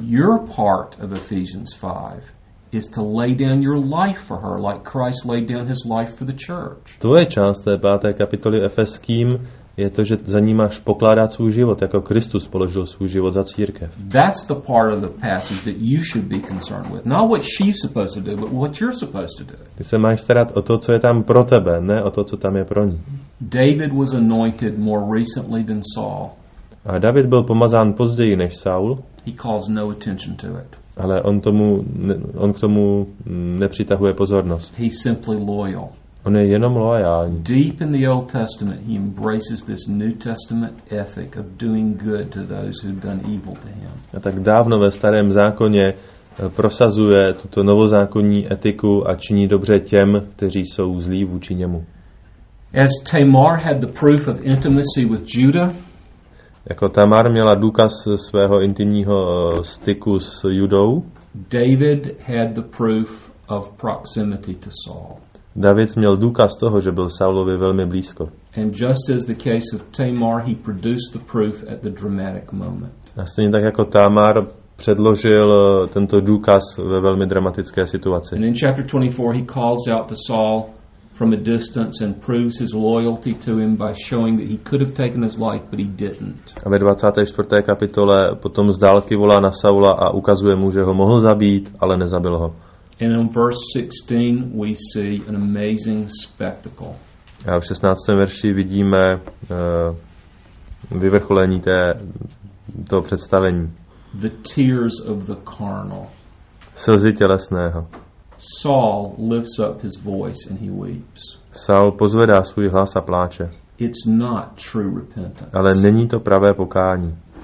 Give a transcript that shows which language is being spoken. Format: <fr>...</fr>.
<en>Your part of Ephesians 5 is to lay down your life for her like Christ laid down his life for the church.</en> <cs>Tvoje část té páté kapitoly Efeským je to, že za ní máš pokládat svůj život, jako Kristus položil svůj život za církev.</cs> <en>That's the part of the passage that you should be concerned with. Not what she's supposed to do, but what you're supposed to do.</en> <cs>Ty se máš starat o to, co je tam pro tebe, ne o to, co tam je pro ní.</cs> <en>David was anointed more recently than Saul.</en> <cs>A David byl pomazán později než Saul.</cs> <en>He calls no attention to it.</en> <cs>Ale on k tomu nepřitahuje pozornost.</cs> <en>He's simply loyal.</en> <cs>On je jenom loajální.</cs> <en>Deep in the Old Testament he embraces this New Testament ethic of doing good to those who've done evil to him.</en> <cs>A tak dávno ve starém zákoně prosazuje tuto novozákonní etiku a činí dobře těm, kteří jsou zlí vůči němu.</cs> <en>As Tamar had the proof of intimacy with Judah.</en> <cs>Jako Tamar měla důkaz svého intimního styku s Judou.</cs> <en>David had the proof of proximity to Saul.</en> <cs>David měl důkaz toho, že byl Saulovi velmi blízko.</cs> <en>And just as the case of Tamar, he produced the proof at the dramatic moment.</en> <cs>A stejně tak jako Tamar předložil tento důkaz ve velmi dramatické situaci.</cs> <en>And in chapter 24 he calls out to Saul from a distance and proves his loyalty to him by showing that he could have taken his life but he didn't.</en> <cs>A ve 24. kapitole potom z dálky volá na Saula a ukazuje mu, že ho mohl zabít, ale nezabil ho.</cs> <en>And in verse 16 we see an amazing spectacle.</en> <cs>A v 16. verši vidíme vyvrcholení toho představení.</cs> <en>The tears of the carnal.</en> <cs>Slzy tělesného.</cs> <en>Saul lifts up his voice and he weeps.</en> <cs>Saul pozvedá svůj hlas a pláče.</cs> <en>It's not true repentance.</en> <cs>Ale není to pravé pokání.</cs>